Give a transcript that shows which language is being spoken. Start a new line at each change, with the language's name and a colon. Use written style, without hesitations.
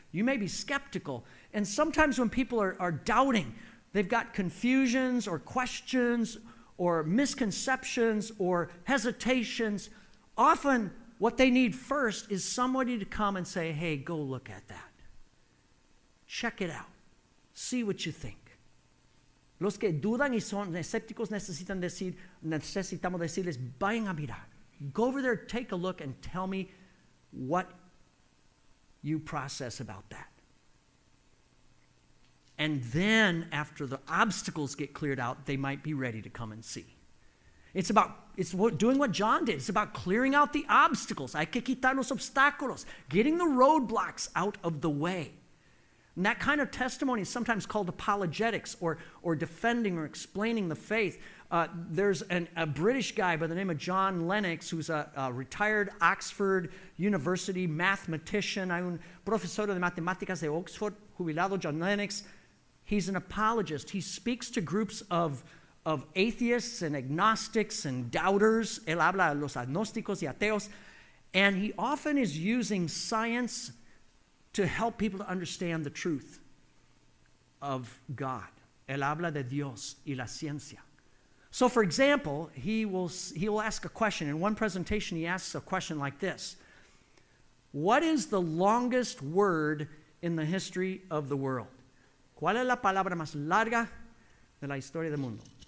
English: You may be skeptical. And sometimes when people are doubting, they've got confusions or questions or misconceptions or hesitations. Often what they need first is somebody to come and say, hey, go look at that. Check it out. See what you think.
Spanish: Los que dudan y son escépticos necesitamos decirles, vayan a mirar.
English: Go over there, take a look, and tell me what you process about that. And then, after the obstacles get cleared out, they might be ready to come and see. It's doing what John did. It's about clearing out the obstacles.
Spanish: Hay que quitar los obstáculos.
English: Getting the roadblocks out of the way. And that kind of testimony is sometimes called apologetics or defending or explaining the faith. There's a British guy by the name of John Lennox, who's a retired Oxford University mathematician.
Spanish: Hay un profesor de matemáticas de Oxford, jubilado John Lennox.
English: He's an apologist. He speaks to groups of atheists and agnostics and doubters.
Spanish: Él habla a los agnósticos y ateos.
English: And he often is using science to help people to understand the truth of God.
Spanish: Él habla de Dios y la ciencia.
English: So for example, he will ask a question. In one presentation, he asks a question like this. What is the longest word in the history of the world?
Spanish: ¿Cuál es la palabra más larga de la historia del mundo?